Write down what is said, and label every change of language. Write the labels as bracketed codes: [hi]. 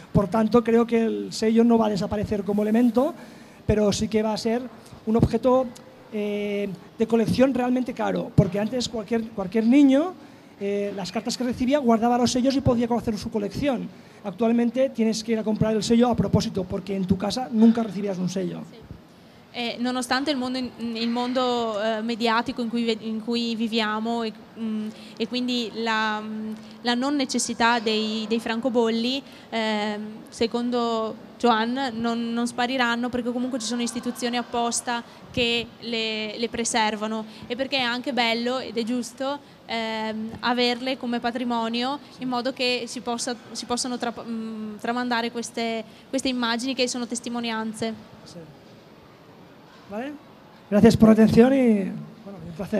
[es] Por tanto, creo que el sello no va a desaparecer como elemento, pero sí que va a ser un objeto de colección realmente caro, porque antes cualquier niño, las cartas que recibía, guardaba los sellos y podía conocer su colección. Actualmente tienes que ir a comprar el sello a propósito, porque en tu casa nunca recibías un sello. [it] Nonostante il mondo mediatico in cui viviamo e quindi la non necessità dei francobolli, secondo Joan non spariranno perché comunque ci sono istituzioni apposta che le preservano e perché è anche bello ed è giusto averle come patrimonio in modo che si possano tramandare queste immagini che sono testimonianze. [es] ¿Vale? Gracias por la atención y bueno, un placer.